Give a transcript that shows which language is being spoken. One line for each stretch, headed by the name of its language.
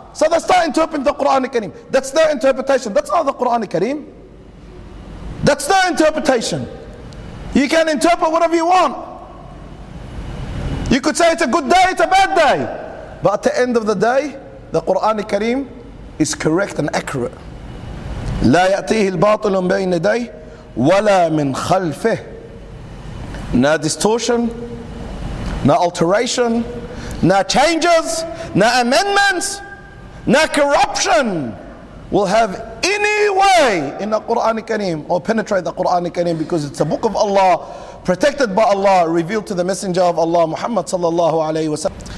English: So they start interpreting the Quran al-Kareem. That's their interpretation. That's not the Quran al-Kareem. That's their interpretation. You can interpret whatever you want. You could say it's a good day, it's a bad day. But at the end of the day, the Quran al-Kareem is correct and accurate.
Arabic: لا يأتيه الباطل بين يديه ولا من خلفه.
English: No distortion, no alteration, no changes, no amendments, no corruption will have any way in the Quran al-Kareem or penetrate the Quran al-Kareem, because it's a book of Allah, protected by Allah, revealed to the Messenger of Allah, Muhammad sallallahu alayhi wa sallam.